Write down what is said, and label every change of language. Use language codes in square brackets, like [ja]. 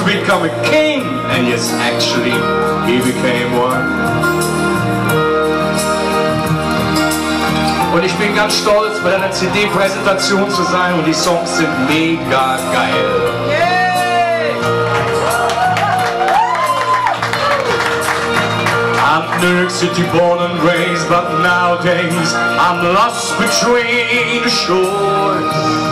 [en] Become a king, and yes, actually, he became one. [de] Und ich bin ganz stolz, bei einer CD-Präsentation zu sein, und die Songs sind mega geil. [en] Yeah. I'm New York City born and raised, but nowadays I'm lost between the shores.